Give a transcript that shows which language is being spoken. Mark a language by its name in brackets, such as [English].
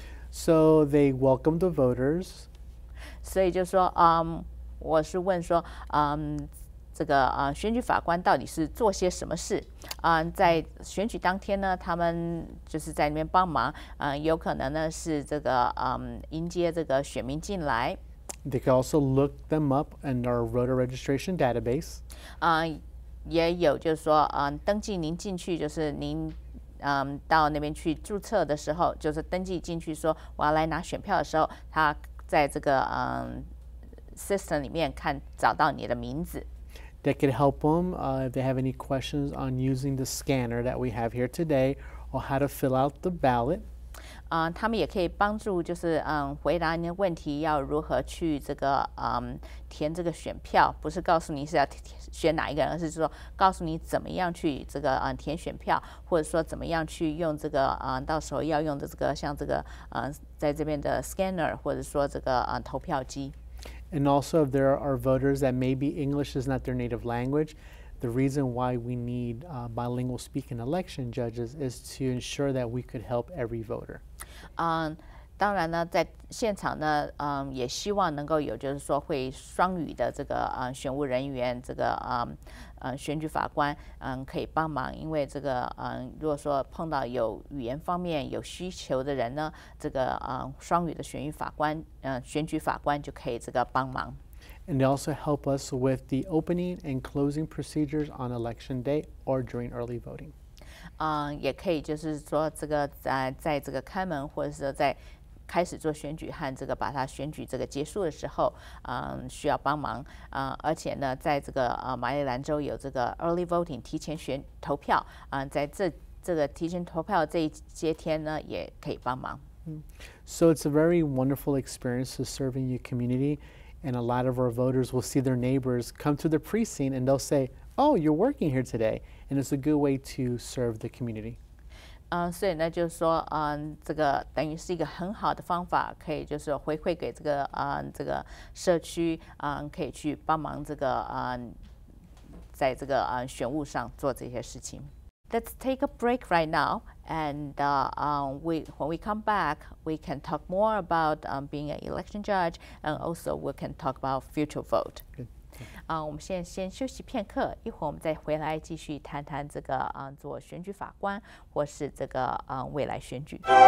[English] So they welcome the voters. [Chinese] 所以就说我是问说这个选举法官到底是做些什么事在选举当天呢他们就是在那边帮忙有可能呢是这个迎接这个选民进来。 [English] They can also look them up in our voter registration database. [Chinese] 也有就是说登记您进去就是您到那边去注册的时候就是登记进去说我要来拿选票的时候他在这个system 里面看找到你的名字。 [English] They could help them if they have any questions on using the scanner that we have here today or how to fill out the ballot. [Chinese] 他们也可以帮助就是回答您的问题要如何去这个填这个选票不是告诉你是要选哪一个人而是说告诉你怎么样去这个填选票或者说怎么样去用这个到时候要用的这个像这个在这边的 scanner 或者说这个投票机。 [English] And also if there are voters that maybe English is not their native language, the reason why we need bilingual speaking election judges is to ensure that we could help every voter. [Chinese] 当然呢，在现场呢，也希望能够有就是说会双语的这个选务人员，这个选举法官可以帮忙，因为这个如果说碰到有语言方面有需求的人呢，这个双语的选举法官选举法官就可以这个帮忙。 [English] And they also help us with the opening and closing procedures on election day or during early voting. [Chinese] 也可以就是说这个在这个开门或者是在开始做选举和这个把它选举这个结束的时候需要帮忙而且呢在这个马里兰州有这个 early voting 提前选投票在这个提前投票这一些天呢也可以帮忙。 [English] So it's a very wonderful experience to serve in your community. And a lot of our voters will see their neighbors come to the precinct and they'll say, oh, you're working here today. And it's a good way to serve the community. [Chinese] 所以呢就是说这个等于是一个很好的方法可以就是回馈给这个这个社区可以去帮忙这个在这个选务上做这些事情。 [English] Let's take a break right now. And when we come back, we can talk more about being an election judge, and also we can talk about future vote. Good. [Chinese] 我们现在先休息片刻，一会儿我们再回来继续谈谈这个做选举法官或是这个未来选举。